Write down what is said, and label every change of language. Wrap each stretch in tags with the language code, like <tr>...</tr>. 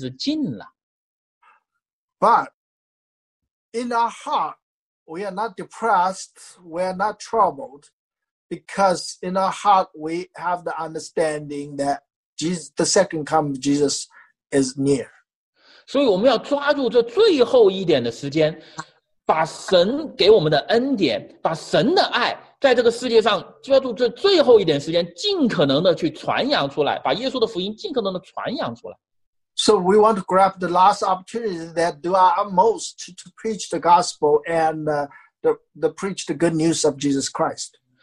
<zh>但是我们不会灰心，不会绝望，我们心里有真正的平安，有真正的喜乐，因为我们知道耶稣你再来的日子近了。</zh> <en>But in our heart, we are not depressed, we are not troubled, because in our heart, we have the understanding that Jesus, the second coming of Jesus is near.</en> <zh>所以我们要抓住这最后一点的时间，把神给我们的恩典，把神的爱，在这个世界上抓住这最后一点时间，尽可能的去传扬出来，把耶稣的福音尽可能的传扬出来。</zh> <en>So we want to grab the last opportunity that do our utmost to preach the gospel and the preach the good news of Jesus Christ.</en>